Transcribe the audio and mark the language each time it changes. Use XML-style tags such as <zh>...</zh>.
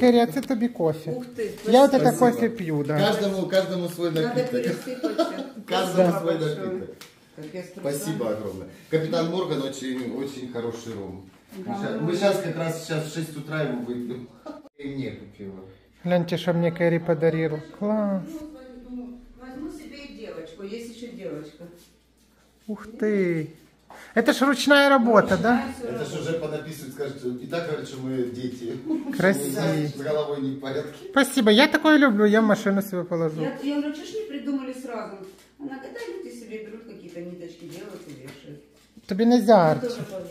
<uk>Кирі, це тобі кофе. Ух ти. Я от це кофе п'ю, да. Кожному свій напіток.</uk> <ru>Надо перевести кофе.</ru> <uk>Кожному свій напіток.</uk> <ru>Спасибо огромное.</ru> <uk>Капітан Морган очень хороший ром. Да.</uk> <ru>Мы сейчас в 6 утра его выпьем.</ru> <uk>І мені купила. Гляньте, що мені Кирі подарила. Клас. Возьму себе і дівчинку, є ще дівчинка.</uk> <ru>Ух ти. Это ж ручная работа, да? Это ж уже понаписывают, скажут, что и так, короче, мы дети. Красивые. С головой не в порядке. Спасибо, я такое люблю, я машину себе положу. Я говорю, что ж не придумали сразу? Она когда-нибудь себе берут какие-то ниточки, делают и вешают. Тебе нельзя, Арчи.</ru>